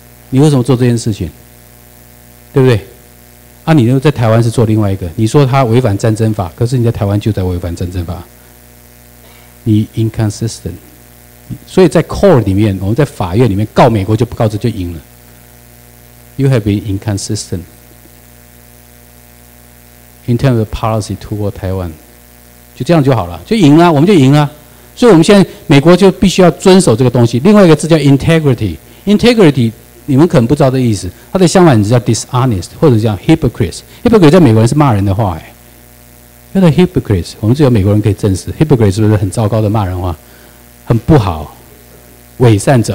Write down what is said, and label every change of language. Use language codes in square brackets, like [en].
[zh] 你为什么做这件事情？对不对？啊，你又在台湾是做另外一个，你说他违反战争法，可是你在台湾就在违反战争法，你 inconsistent。所以在 court 里面，我们在法院里面告美国就不告，这就赢了。 [en] You have been inconsistent in terms of policy toward Taiwan， [zh] 就这样就好了，就赢了， [en] 我们就赢了。 [zh] 所以我们现在美国就必须要遵守这个东西。另外一个字叫 integrity， integrity 你们可能不知道的意思，它的相反词叫 dishonest 或者叫 hypocrite。 hypocrite 在美国人是骂人的话，欸，叫做 hypocrite， 我们只有美国人可以证实 hypocrite 是不是很糟糕的骂人话，很不好，伪善者。